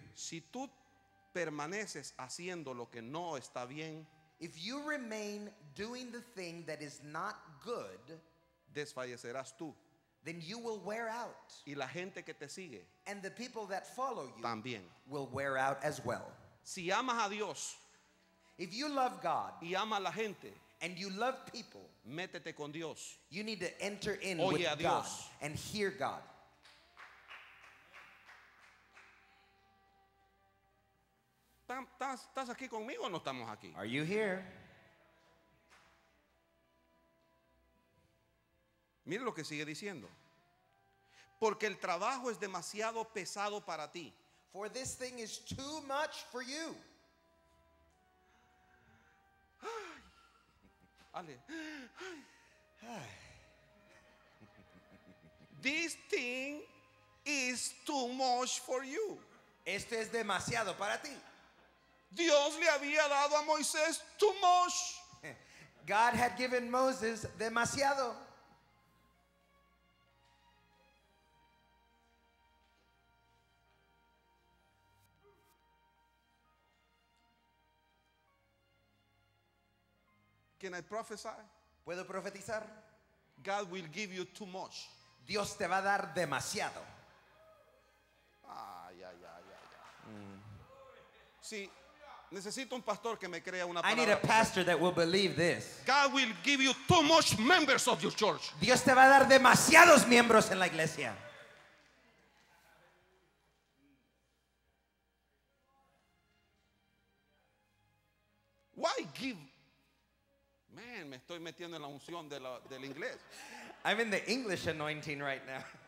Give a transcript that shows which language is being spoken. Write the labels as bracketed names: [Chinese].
[Spanish] Si tú permaneces haciendo lo que no está bien, [English] if you remain doing the thing that is not good, [Spanish] desfallecerás tú, [English] then you will wear out, [Spanish] y la gente que te sigue, [English] and the people that follow you, [Spanish] también, [English] will wear out as well. [Spanish] Si amas a Dios, [English] if you love God, [Spanish] y ama a la gente, [English] and you love people, [Spanish] métete con Dios, [English] you need to enter in [Spanish] oye [English] with [Spanish] a Dios. [English] God and hear God. [Spanish] ¿Estás aquí conmigo o no estamos aquí? [English] Are you here? [Spanish] Mire lo que sigue diciendo. Porque el trabajo es demasiado pesado para ti. [English] For this thing is too much for you. Ale. This thing is too much for you. [Spanish] Esto es demasiado para ti. Dios le había dado a Moisés [English] too much. God had given Moses [Spanish] demasiado. [English] Can I prophesy? [Spanish] ¿Puedo profetizar? [English] God will give you too much. [Spanish] Dios te va a dar demasiado. Ay, ay, ay, ay. Sí. Necesito un pastor que me crea una palabra. [English] I need a pastor that will believe this. God will give you too much members of your church. [Spanish] Dios te va a dar demasiados miembros en la iglesia. [English] Why give? [Spanish] Man, me estoy metiendo en la unción del inglés. [English] I'm in the English anointing right now.